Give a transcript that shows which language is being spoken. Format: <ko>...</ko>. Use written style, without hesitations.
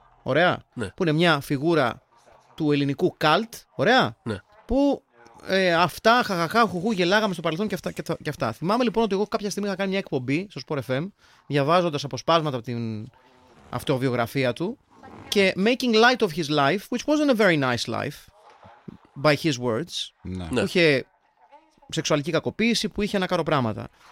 <el>Ωραία. Ναι. Που είναι μια φιγούρα του ελληνικού καλτ. Ωραία. Ναι. Που αυτά, χαχαχά, χουχού, γελάγαμε στο παρελθόν και αυτά, και αυτά. Θυμάμαι λοιπόν ότι εγώ κάποια στιγμή είχα κάνει μια εκπομπή στο Sport FM, διαβάζοντας αποσπάσματα από την αυτοβιογραφία του. Και</el> <en>making light of his life, which wasn't a very nice life, by his words,</en> <el>ναι. Που είχε σεξουαλική κακοποίηση, που είχε ανακάρο πράγματα.</el>